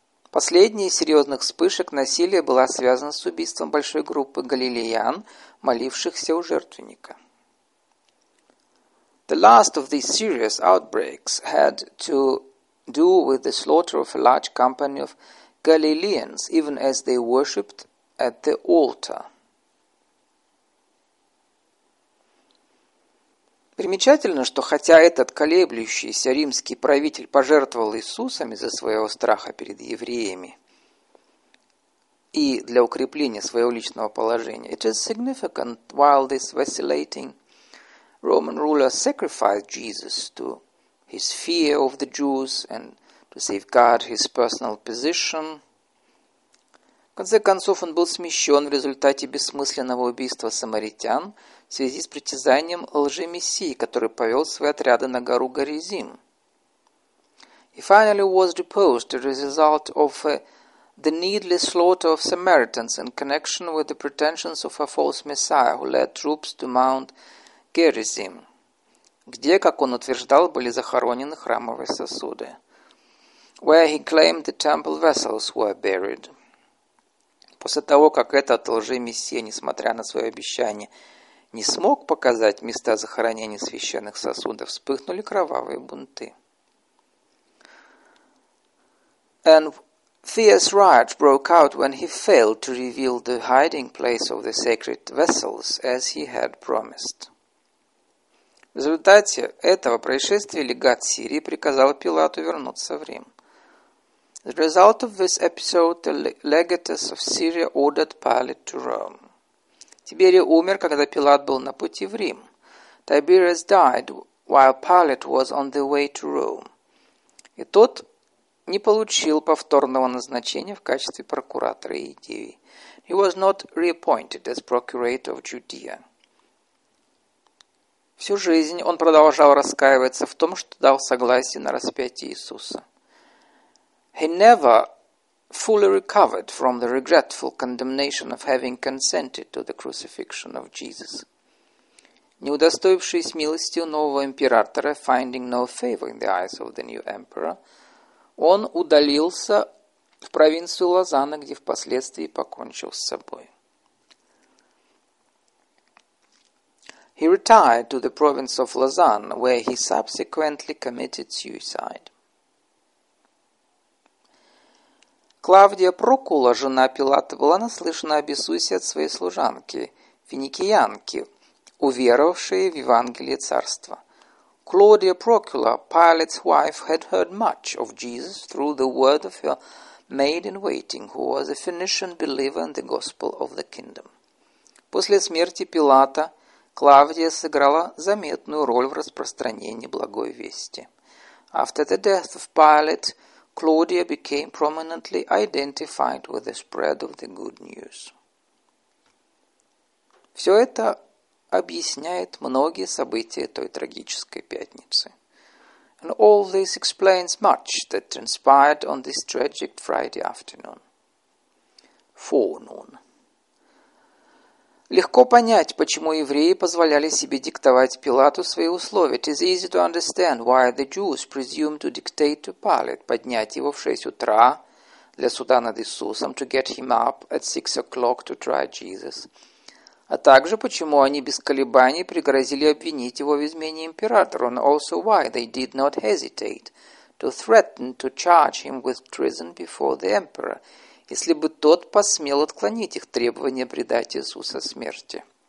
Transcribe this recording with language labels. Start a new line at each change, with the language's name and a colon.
Russian: Последняя из серьезных вспышек насилия была связана с убийством большой группы галилеян, молившихся у жертвенника.
English: The last of these serious outbreaks had to do with the slaughter of a large company of Galileans, even as they worshipped at the altar.
Russian: Примечательно, что хотя этот колеблющийся римский правитель пожертвовал Иисусом из-за своего страха перед евреями и для укрепления своего личного положения,
English: it is significant, while this vacillating Roman ruler sacrificed Jesus to his fear of the Jews and to safeguard his personal position.
Russian: В конце концов, он был смещен в результате бессмысленного убийства самаритян в связи с притязанием лжемессии, который повел свои отряды на гору Горизим.
English: He finally was deposed as a result of the needless slaughter of Samaritans in connection with the pretensions of a false messiah who led troops to Mount Gerizim,
Russian: где, как он утверждал, были захоронены храмовые сосуды.
English: Where he claimed the temple vessels were buried.
Russian: После того, как этот лжемессия, несмотря на свое обещание, не смог показать места захоронения священных сосудов, вспыхнули кровавые бунты.
English: And fierce riots broke out when he failed to reveal the hiding place of the sacred vessels, as he had promised.
Russian: В результате этого происшествия легат Сирии приказал Пилату вернуться в Рим.
English: The result of this episode, the legatus of Syria ordered Pilate to Rome.
Russian: Тиберий умер, когда Пилат был на пути в Рим.
English: Tiberius died while Pilate was on the way to Rome.
Russian: И тот не получил повторного назначения в качестве прокуратора Иудеи.
English: He was not reappointed as procurator of Judea.
Russian: Всю жизнь он продолжал раскаиваться в том, что дал согласие на распятие Иисуса.
English: He never fully recovered from the regretful condemnation of having consented to the crucifixion of Jesus.
Russian: Не удостоившись милости у нового императора,
English: finding no favor in the eyes of the new emperor,
Russian: он удалился в провинцию Лозана, где впоследствии покончил с собой.
English: He retired to the province of Lausanne, where he subsequently committed suicide.
Russian: Клавдия Прокула, жена Пилата, была наслышана об Иисусе от своей служанки, финикиянки, уверовавшей в Евангелие Царства.
English: Claudia Procula, Pilate's wife, had heard much of Jesus through the word of her maid-in-waiting, who was a Phoenician believer in the gospel of the kingdom.
Russian: После смерти Пилата Клавдия сыграла заметную роль в распространении благой вести.
English: After the death of Pilate, Claudia became prominently identified with the spread of the good news.
Russian: Все это объясняет многие события той трагической пятницы.
English: And all this explains much that transpired on this tragic Friday afternoon. Forenoon.
Russian: Легко понять, почему евреи позволяли себе диктовать Пилату свои условия.
English: It is easy to understand why the Jews presumed to dictate to Pilate,
Russian: поднять его в 6 утра для суда над Иисусом,
English: to get him up at 6 o'clock to try Jesus.
Russian: А также, почему они без колебаний пригрозили обвинить его в измене императору.
English: And also why they did not hesitate to threaten to charge him with treason before the emperor,
Russian: если бы тот посмел отклонить их требование предать Иисуса смерти.